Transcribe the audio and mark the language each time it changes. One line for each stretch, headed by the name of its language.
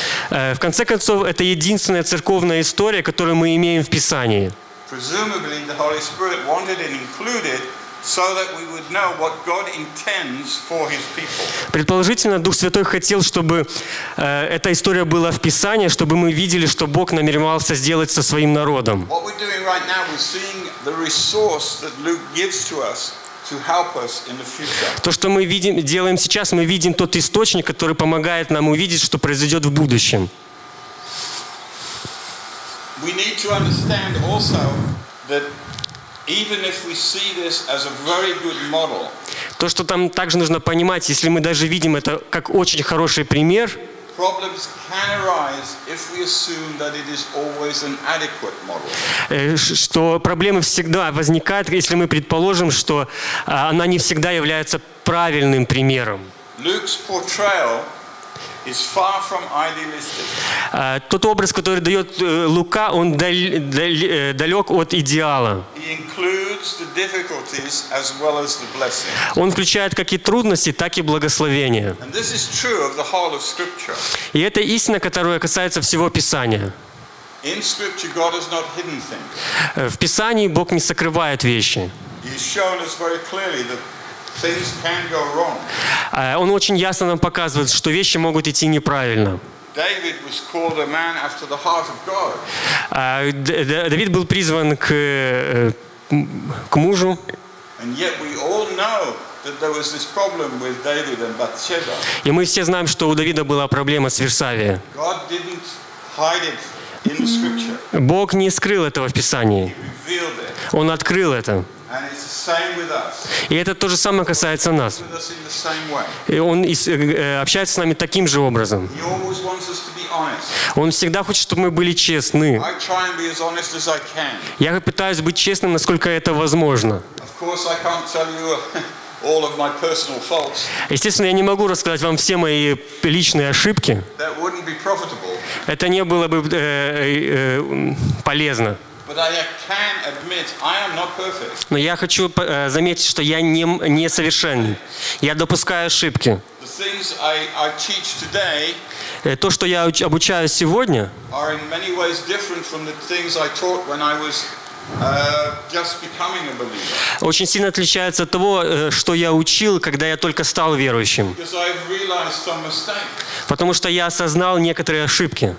Russian: В конце концов, это единственная церковная история, которую мы имеем в Писании.
English: Presumably, the Holy Spirit wanted it included so that we would know what God intends for His people.
Russian: Предположительно, Дух Святой хотел, чтобы эта история была в Писании, чтобы мы видели, что Бог намеревался сделать со своим народом.
English: What we're doing right now, we're seeing the resource that Luke gives to us to help us in the future.
Russian: То, что мы видим, делаем сейчас, мы видим тот источник, который помогает нам увидеть, что произойдет в будущем.
English: We need to understand also that even if we see this as a very good model,
Russian: то, что там также нужно понимать, если мы даже видим это как очень хороший пример,
English: problems can arise if we assume that it is always an adequate model.
Russian: Что проблемы всегда возникают, если мы предположим, что она не всегда является правильным примером.
English: Luke's portrayal is far from idealistic.
Russian: Тот образ, который дает Лука, он далек от идеала.
English: He includes the difficulties as well as the blessings.
Russian: Он включает как и трудности, так и благословения.
English: And this is true of the whole of Scripture.
Russian: И это истина, которая касается всего Писания.
English: In Scripture, God has not hidden things.
Russian: В Писании Бог не сокрывает вещи.
English: He's shown us very clearly that things can go wrong.
Russian: Он очень ясно нам показывает, что вещи могут идти неправильно.
English: David was called a man after the heart of God.
Russian: Давид был призван к мужу.
English: And yet we all know that there was this problem with David and Bathsheba.
Russian: И мы все знаем, что у Давида была проблема с Версавией.
English: God didn't hide it in the Scripture.
Russian: Бог не скрыл этого в Писании.
English: He revealed it.
Russian: Он открыл это.
English: And it's the same with us.
Russian: И это то же самое касается нас. И он общается с нами таким же образом.
English: He always wants us to be honest.
Russian: Он всегда хочет, чтобы мы были честны.
English: I try and be as honest as I can.
Russian: Я пытаюсь быть честным, насколько это возможно.
English: Of course, I can't tell you all of my personal faults.
Russian: Естественно, я не могу рассказать вам все мои личные ошибки.
English: That wouldn't be profitable.
Russian: Это не было бы полезно.
English: But I can admit I am not perfect.
Russian: Но я хочу заметить, что я не совершенен. Я допускаю ошибки.
English: The things I teach today,
Russian: то, что я обучаю сегодня,
English: are in many ways different from the things I taught when I was just becoming a believer.
Russian: Очень сильно отличается от того, что я учил, когда я только стал верующим.
English: Because I've realized some mistakes.
Russian: Потому что я осознал некоторые ошибки.